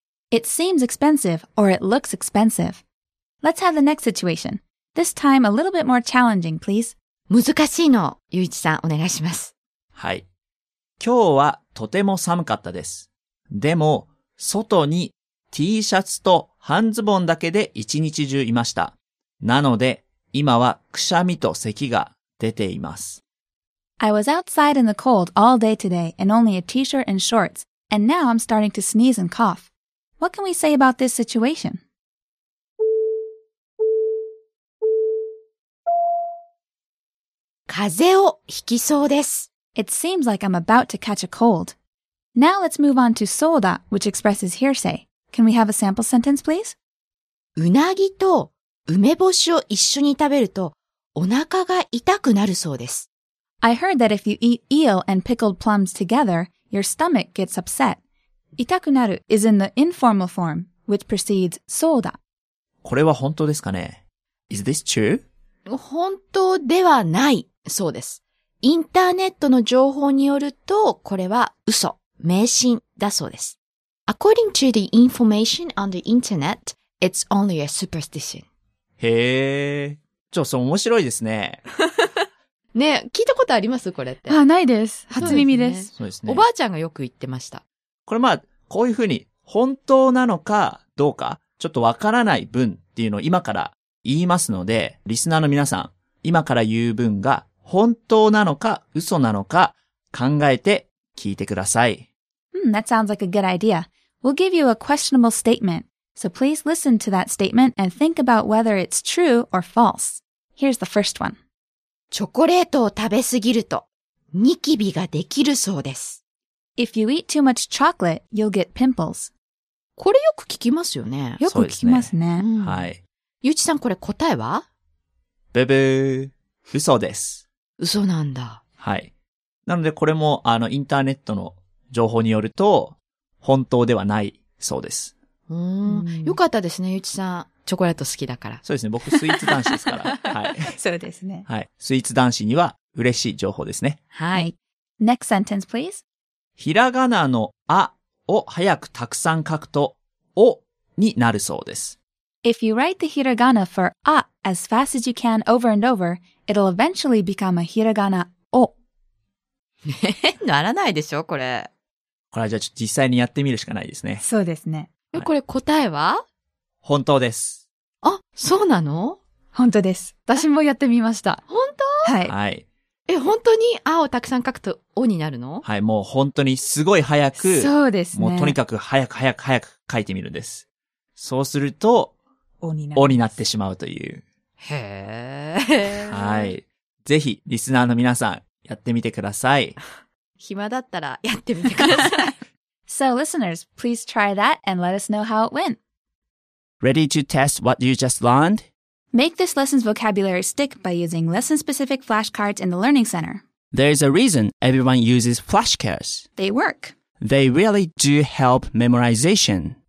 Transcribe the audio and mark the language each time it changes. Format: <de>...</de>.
<en>It seems expensive, or it looks expensive. Let's have the next situation. This time, a little bit more challenging, please.</en> <ja>難しいの、ゆういちさん、お願いします。はい。今日はとても寒かったです。でも、外に T シャツと半ズボンだけで一日中いました。なので、今はくしゃみと咳が出ています。</ja> <en>I was outside in the cold all day today and only a T-shirt and shorts, and now I'm starting to sneeze and cough. What can we say about this situation?</en> <ja>風邪をひきそうです。</ja> <en>It seems like I'm about to catch a cold. Now let's move on to soda, which expresses hearsay. Can we have a sample sentence, please?</en> <ja>うなぎと梅干しを一緒に食べるとお腹が痛くなるそうです。</ja> <en>I heard that if you eat eel and pickled plums together, your stomach gets upset. 痛くなる is in the informal form, which precedes soda.</en> <ja>これは本当ですかね?</ja> <en>Is this true?</en> <ja>本当ではない、そうです。インターネットの情報によると、これは嘘、迷信だそうです。</ja> <en>According to the information on the internet, it's only a superstition.</en> <ja>へぇー、ちょっと面白いですね。ね、聞いたことあります? これって。あ、ないです。初耳です。そうですね。おばあちゃんがよく言ってました。これまあ、こういうふうに、本当なのかどうか、ちょっとわからない文っていうのを今から、言いますので、リスナーの皆さん、今から言う文が本当なのか嘘なのか考えて聞いてください。</ja> <en>That sounds like a good idea. We'll give you a questionable statement. So please listen to that statement and think about whether it's true or false. Here's the first one.</en> <ja>チョコレートを食べすぎるとニキビができるそうです。</ja> <en>If you eat too much chocolate, you'll get pimples.</en> <ja>これよく聞きますよね。よく聞きますね。そうですね。はい。ゆうちさん、これ答えは? ブブー。嘘です。嘘なんだ。はい。なので、これも、インターネットの情報によると、本当ではないそうです。よかったですね、ゆうちさん。チョコレート好きだから。そうですね、僕、スイーツ男子ですから。はい。そうですね。はい。スイーツ男子には嬉しい情報ですね。はい。</ja> <en>Next sentence, please.</en> <ja>ひらがなのあを早くたくさん書くと、おになるそうです。</ja> <en>If you write the hiragana for a as fast as you can over and over, it'll eventually become a hiragana o.</en> <ja>ならないでしょ、これ。これはじゃあちょっと実際にやってみるしかないですね。そうですね。はい、これ答えは? 本当です。あ、そうなの? 本当です。私もやってみました。本当? はい。はい。え、本当にあをたくさん書くとおになるの? はい、もう本当にすごい早く。そうですね。もうとにかく早く早く早く書いてみるんです。そうすると、おになってしまうという。へぇー。 はい。ぜひ、リスナーの皆さん、やってみてください。暇だったら、やってみてください。</ja> <en>So, listeners, please try that and let us know how it went. Ready to test what you just learned? Make this lesson's vocabulary stick by using lesson-specific flashcards in the Learning Center. There is a reason everyone uses flashcards. They work. They really do help memorization.</en>